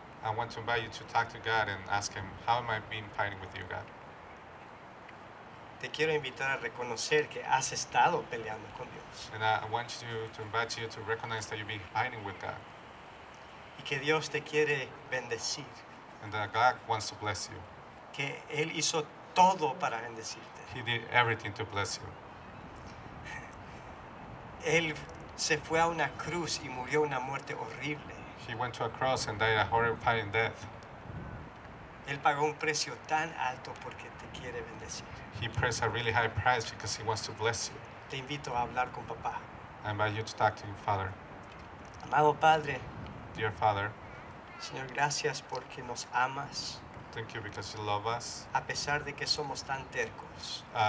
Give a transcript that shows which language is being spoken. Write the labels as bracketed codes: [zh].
[en] I want to invite you to talk to God and ask him, how am I been fighting with you, God? [es] Te quiero invitar a reconocer que has estado peleando con Dios. [en] And I want you to invite you to recognize that you've been fighting with God. [es] Y que Dios te quiere bendecir. [en] And that God wants to bless you. [es] Que él hizo todo para bendecirte. [en] He did everything to bless you. [es] Él se fue a una cruz y murió una muerte horrible. [en] He went to a cross and died a horrifying death. [es] Él pagó un precio tan alto porque te quiere bendecir. [en] He paid a really high price because he wants to bless you. [es] Te invito a hablar con papá. [en] I invite you to talk to your father. [es] Amado padre. [en] Dear father. [es] Señor, gracias porque nos amas. [en] Thank you because you love us. [es] A pesar de que somos tan tercos.